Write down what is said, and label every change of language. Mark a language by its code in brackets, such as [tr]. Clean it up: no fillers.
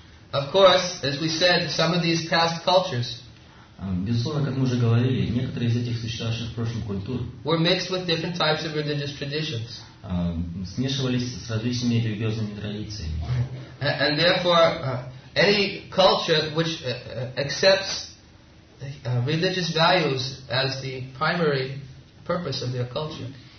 [en] Of course, as we said, some of these past cultures. [ru] Безусловно, как мы уже говорили, некоторые из этих существовавших в прошлом культур [en] were mixed with different types of religious traditions. [ru] Смешивались с различными религиозными традициями. [en] And therefore, any culture which accepts religious values as the primary purpose of their culture.